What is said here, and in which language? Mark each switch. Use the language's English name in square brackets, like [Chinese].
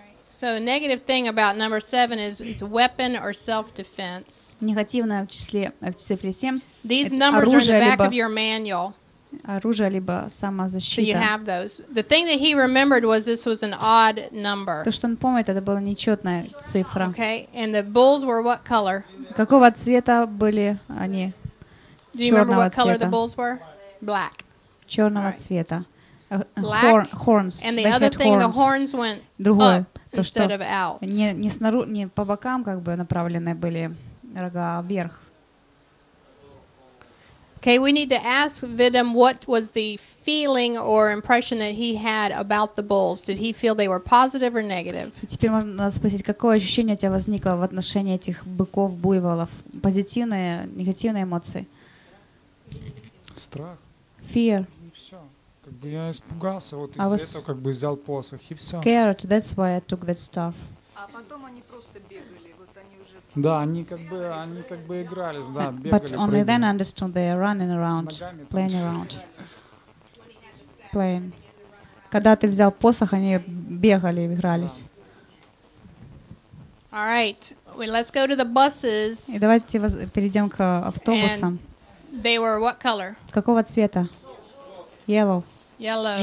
[English] So a negative thing about number 7 is it's weapon or self-defense. [Russian] Негативное в числе в цифре 7. [English] These numbers are in the back of your manual. [Russian] Оружие либо самозащита. [English] So you have those. The thing that he remembered was this was an odd number. [Russian] То, что он помнит, это была нечётная цифра. [English] Okay. And the bulls were what color? [Russian] Какого цвета были они? [English] Do you remember what color the bulls were? Black. [Russian] Чёрного цвета. [English] Black. Horns. And the other thing, the horns went [Russian] другое. [English] Up. То, instead of out. [Russian] Не снаружи, не по бокам как бы направлены были рога вверх. [English] Okay, we need to ask Vidim what was the feeling or impression that he had about the bulls. Did he feel they were positive or negative? [Russian] Теперь можно спросить, какое ощущение у тебя возникло в отношении этих быков, буйволов? Позитивные, негативные эмоции? Страх. [English] Fear. [Russian] Как бы я испугался вот из-за этого, как бы взял посох и всё. [English] Scared, that's why I took that stuff. [Russian] А потом они просто бегали, вот они уже. Да, они как бы играли, да, бегали. [English] But only then I understood they are running around, playing around. Playing. [Russian] Когда ты взял посох, они бегали, игрались. [English] All right. Well, let's go to the buses. [Russian] И давайте перейдём к автобусам. [English] And they were what color? [Russian] Какого цвета? [English] Yellow. Yellow.